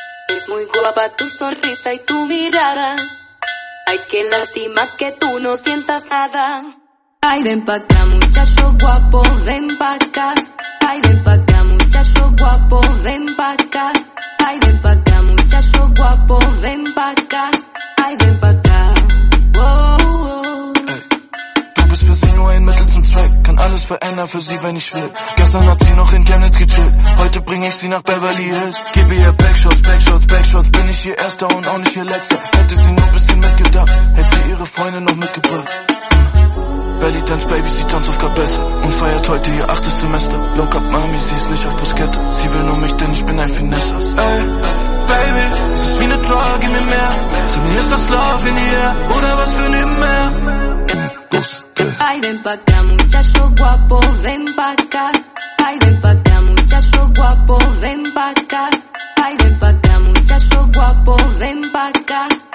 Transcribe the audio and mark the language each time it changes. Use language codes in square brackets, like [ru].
[es] Es muy guapa tu sonrisa y tu mirada. Ay, qué lástima que tú no sientas nada. Ay, ven pa' acá, muchacho guapo, ven pa' acá. Ay, ven pa' acá, muchacho guapo, ven pa' acá. Ay, ven pa' acá, muchacho guapo, ven pa' acá. Ay, ven pa' acá. [de] Wir sehen nur ein Mittel zum Zweck. Kann alles verändern für sie, wenn ich will. Gestern hat sie noch in Chemnitz gechillt. Heute bring ich sie nach Beverly Hills. Gebe ihr Backshots, Backshots, Backshots. Bin ich ihr Erster und auch nicht ihr Letzter. Hätte sie nur ein bisschen mitgedacht, hätte sie ihre Freunde noch mitgebracht. Belly Dance Baby, sie tanzt auf Kapesse. Und feiert heute ihr 8. Semester. [en] Look up [de] Mami, sie ist nicht auf Bruschetta. Sie will nur mich, denn ich bin ein Finesser. Ey, Baby, es ist wie eine Drug, gib mir mehr. Sag mir, ist das [en] Love in the air? [de] Oder was für ein Meer? [es] Ay, ven pa' acá, muchacho guapo, ven pa' acá. Ay, ven pa' acá, muchacho guapo, ven pa' acá. Ay, ven pa' acá, muchacho guapo, ven pa' acá.